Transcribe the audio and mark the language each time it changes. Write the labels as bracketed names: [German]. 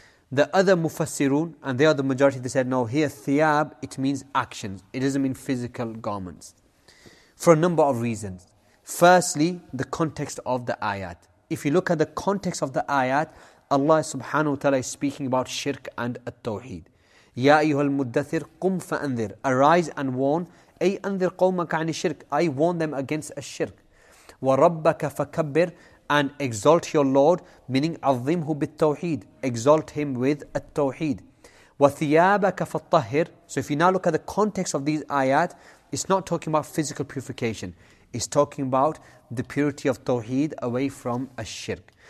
[English] The other mufassirun, and they are the majority, they said, no, here thiyab, it means actions. It doesn't mean physical garments. For a number of reasons. Firstly, the context of the ayat. If you look at the context of the ayat, Allah subhanahu wa ta'ala is speaking about shirk and at-tawheed. [Arabic] يَا أَيُّهَا الْمُدَّثِرْ قُمْ فَأَنذِرْ, [English] arise and warn. [Arabic] أي أنذر قومك عن الشرك, [English] I warn them against a shirk. [Arabic] وربك فكبر, [English] and exalt your Lord, meaning [Arabic] عظمه بالتوحيد, [English] exalt him with التوحيد. [Arabic] وثيابك فطهر, [English] so if you now look at the context of these ayat, it's not talking about physical purification, it's talking about the purity of توحيد away from a shirk.